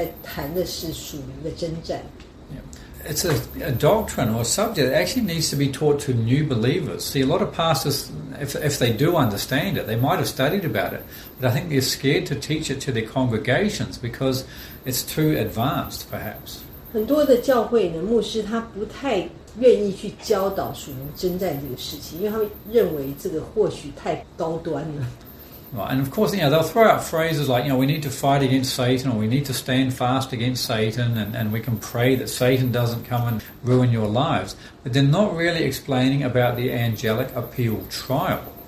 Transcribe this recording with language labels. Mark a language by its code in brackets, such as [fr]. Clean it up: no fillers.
[zh] 所以像在那个Tim他在2020年呢，几乎整年在台湾教的主题都一直就是完整的都在谈的是属灵的征战。 [en] It's a doctrine or subject that actually needs to be taught to new believers. See, a lot of pastors, if they do understand it, they might have studied about it, but I think they're scared to teach it to their congregations because it's too advanced, perhaps. [zh] 很多的教会呢，牧师他不太愿意去教导属灵征战这个事情，因为他们认为这个或许太高端了。 [en] Right, and of course, you know, they'll throw out phrases like, you know, we need to fight against Satan, or we need to stand fast against Satan, and we can pray that Satan doesn't come and ruin your lives. But they're not really explaining about the angelic appeal trial.